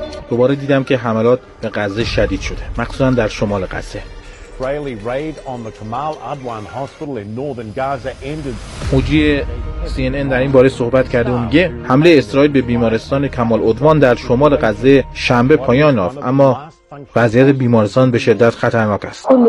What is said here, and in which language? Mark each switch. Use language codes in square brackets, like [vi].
[fa] دوباره دیدم که حملات به غزه شدید شده، مخصوصا در شمال غزه. [en] Israeli raid on the Kamal Adwan Hospital in northern Gaza ended. [fa] موجی CNN در این باره صحبت کرده و میگه حمله اسرائیل به بیمارستان کمال ادوان در شمال غزه شنبه پایان یافت، اما وضعیت بیمارستان به شدت خطرناک است.